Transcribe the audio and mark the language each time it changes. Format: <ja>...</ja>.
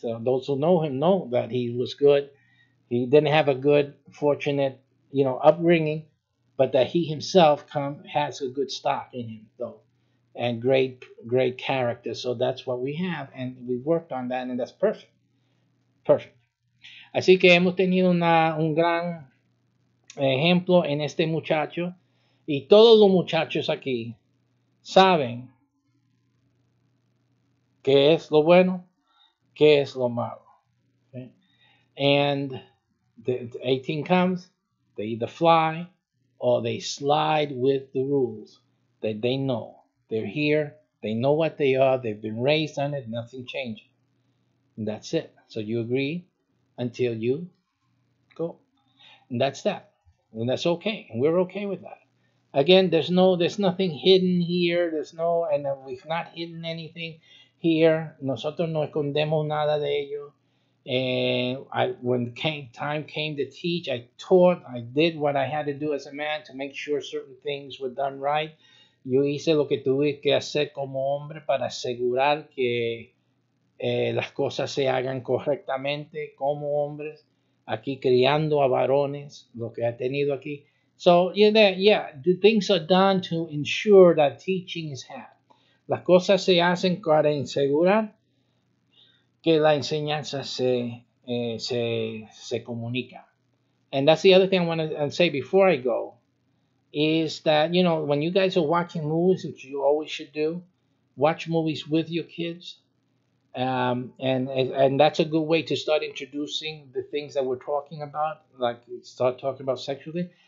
<en>So those who know him know that he was good. He didn't have a good, fortunate, you know, upbringing. But that he himself has a good stock in him, though. And great, great character. So that's what we have. And we worked on that. And that's perfect. Perfect.</en> <es>Así que hemos tenido un gran ejemplo en este muchacho. Y todos los muchachos aquí saben qué es lo bueno, qué es lo malo.</es> <en>Okay? And the 18 comes. They either fly or they slide with the rules that they know. They're here. They know what they are. They've been raised on it. Nothing changed. And that's it. So you agree until you go. And that's that. And that's okay. And we're okay with that. Again, there's nothing hidden here. And we've not hidden anything here.</en> <es>Nosotros no escondemos nada de ello.</es> <en>And when time came to teach, I taught. I did what I had to do as a man to make sure certain things were done right.</en> <es>Yo hice lo que tuve que hacer como hombre para asegurar que las cosas se hagan correctamente como hombres, aquí criando a varones, lo que he tenido aquí.</es> <en>So, yeah, the things are done to ensure that teaching is had.</en> <es>Las cosas se hacen para asegurar que la enseñanza se comunica.</es> <en>And that's the other thing I want to say before I go. Is that, you know, when you guys are watching movies, which you always should do, watch movies with your kids. And that's a good way to start introducing the things that we're talking about, like start talking about sexually.</en>